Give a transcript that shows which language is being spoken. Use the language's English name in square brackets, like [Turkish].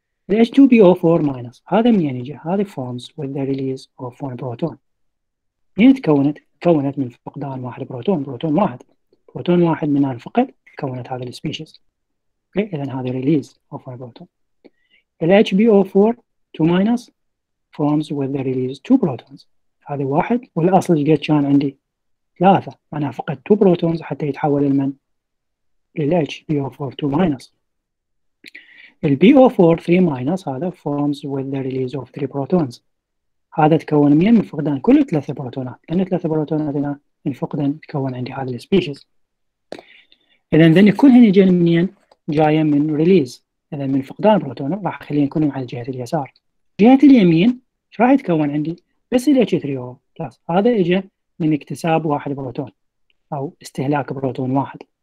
[English] ال H2PO4 minus [Arabic] هذا منين يجي؟ هذا [English] forms with the release of one proton. [Arabic] منين تكونت؟ تكونت من فقدان واحد بروتون، بروتون واحد، بروتون واحد من أن فقد تكونت هذه السبيشيز. [English] Okay، [Arabic] إذن هذه [English] release of one proton. ال HBO4 two minus forms with the release two protons. [Arabic] هذه واحد، والأصل قد كان عندي ثلاثة، أنا فقدت [English] two protons [Arabic] حتى يتحول لمن؟ لل HBO4 two minus. [English] ال BO4 three minus هذا forms with the release of three protons. [Arabic] هذا تكون من فقدان كل ثلاثة بروتونات، لأن ثلاثة بروتونات هنا من فقدان تكون عندي هذه الـ species. إذن كل هنا جاي منين؟ جايه من ريليز، اذا من فقدان بروتون راح اخليه يكون على جهه اليسار. جهه اليمين ايش راح يتكون عندي؟ بس ال H3O بلس، هذا اجى من اكتساب واحد بروتون او استهلاك بروتون واحد.